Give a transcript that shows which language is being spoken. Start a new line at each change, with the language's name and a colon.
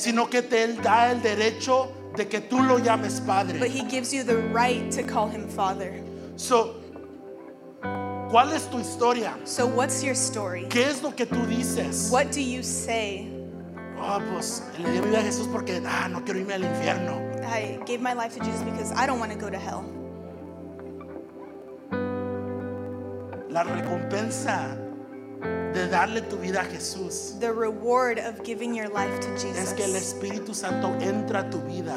Spanish: sino que te da el derecho de que tú lo llames Padre.
English: But He gives you the right to call him Father.
Spanish: So, ¿cuál es tu historia?
English: So what's your story?
Spanish: ¿Qué es lo que tú dices?
English: What do you say?
Spanish: Oh, pues, le di mi vida a Jesús porque no quiero irme al infierno.
English: I gave my life to Jesus because I don't want to go to hell.
Spanish: La recompensa de darle tu vida a Jesús.
English: The reward of giving your life to Jesus.
Spanish: Es que el Espíritu Santo entra a tu vida.